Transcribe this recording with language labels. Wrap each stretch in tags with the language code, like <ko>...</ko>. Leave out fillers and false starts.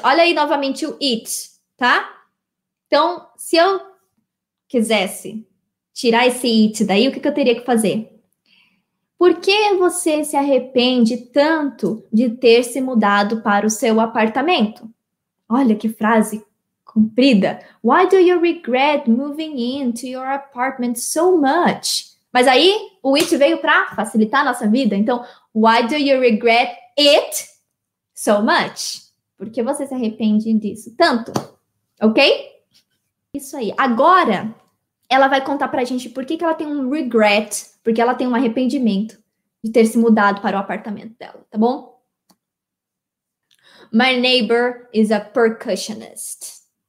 <pt>Olha aí novamente o it, tá? Então, se eu quisesse tirar esse it daí, o que que eu teria que fazer? Por que você se arrepende tanto de ter se mudado para o seu apartamento? Olha que frase comprida.</pt> <en>Why do you regret moving into your apartment so much?</en> <pt>Mas aí o it veio para facilitar a nossa vida.</pt> <en>Então, why do you regret it so much?</en> <pt>Por que você se arrepende disso tanto? Ok? Isso aí. Agora, ela vai contar para a gente por que que ela tem um regret, porque ela tem um arrependimento de ter se mudado para o apartamento dela, tá bom?</pt> <en>My neighbor is a percussionist.</en>